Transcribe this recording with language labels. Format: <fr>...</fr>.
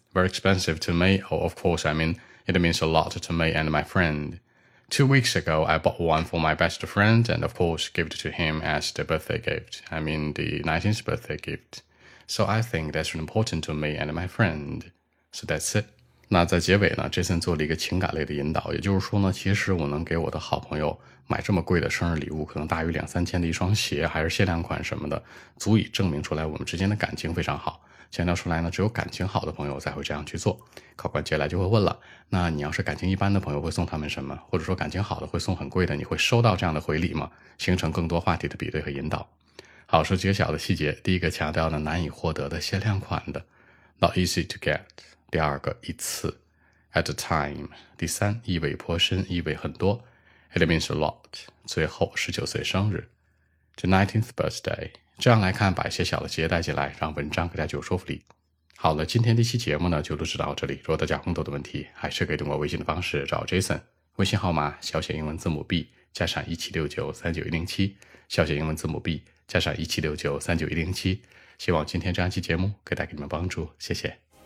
<en>Very expensive to me. Oh, of course, I mean, it means a lot to me and my friend. 2 weeks ago, I bought one for my best friend and, of course, gave it to him as the birthday gift. I mean, the 19th birthday gift. So I think that's important to me and my friend. So that's it.</en> <zh>那在结尾呢 ,Jason 做了一个情感类的引导。也就是说呢，其实我能给我的好朋友买这么贵的生日礼物，可能大于2-3千的一双鞋，还是限量款什么的，足以证明出来我们之间的感情非常好。强调出来呢，只有感情好的朋友才会这样去做。考官接下来就会问了，那你要是感情一般的朋友会送他们什么？或者说感情好的会送很贵的，你会收到这样的回礼吗？形成更多话题的比对和引导。好，说几个小的细节。第一个强调呢，难以获得的限量款的 ,</zh> <en>not easy to get。</en> <zh>第二个一次 ,</zh> <en>at a time。</en> <zh>第三意味颇深，意味很多 ,</zh> <en>it means a lot。</en> <zh>最后19岁生日 ,</zh> <en>the 19th birthday。</en> <zh>这样来看，把一些小的节带进来，让文章更加具有说服力。好了，今天这期节目呢就录制到这里。如果大家有更多的问题，还是可以通过微信的方式找 Jason， 微信号码小写英文字母 B 加上17693910 7，小写英文字母 B 加上17693910 7。希望今天这样期节目可以带给你们帮助，谢谢。</zh>